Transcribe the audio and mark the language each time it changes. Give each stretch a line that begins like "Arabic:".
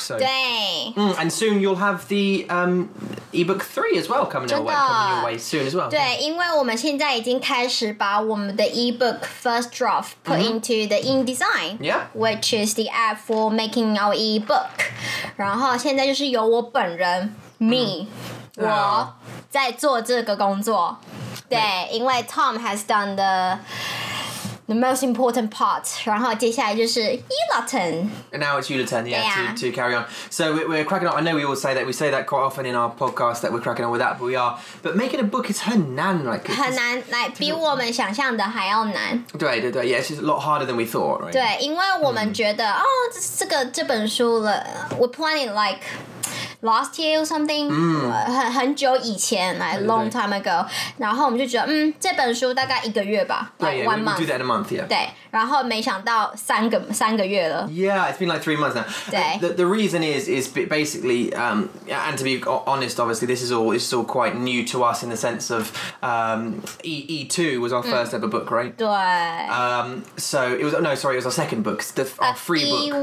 English: So.
Chinese: 对。
English: And soon you'll have the ebook 3 as well coming your way soon as well.
Chinese: 对，因为我们现在已经开始把我们的
English: ebook first draft put into the InDesign. Yeah. Which is the app for making our ebook.
Chinese: 然后现在就是由我本人 me 我在做这个工作。对，因为
English: Tom has done the most important part.
Chinese: 然后接下来就是 Ulotin.
English: And now it's Ulotin, to carry on. So we're cracking on. I know we all say that. We say that quite often in our podcast that we're cracking on with that, but we are. But making a book is
Chinese: 很难比我们想象的还要难。对对对
English: yeah, it's just a lot harder than we thought, right?
Chinese: 对，因为我们觉得这本书了
English: we're planning like... Last year or something,
Chinese: 很久以前,
English: like a long time ago.
Chinese: 然后我们就觉得，这本书大概一个月吧,
English: one month. We do that in a month, yeah.
Chinese: 对，然后没想到三个月了。
English: Yeah, it's been like 3 months now.
Chinese: 对。
English: The reason is basically, and to be honest, obviously, this is all quite new to us in the sense of E2 was our first ever book, right?
Chinese: 对。
English: It was our second book, our free book.